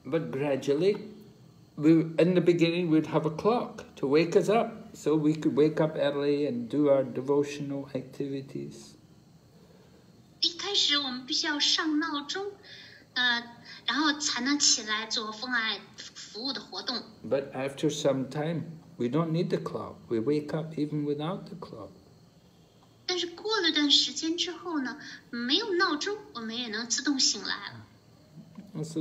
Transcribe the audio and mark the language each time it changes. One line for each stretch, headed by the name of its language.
English: gradually, in the beginning, we'd have a clock to wake us up, so we could wake up early and do our devotional activities.
Chinese: 一开始我们必须要上闹钟，然后才能起来做奉爱服务的活动。
English: But after some time, we don't need the clock. We wake up even without the clock.
Chinese: 但是过了段时间之后呢，没有闹钟，我们也能自动醒来了。
English: So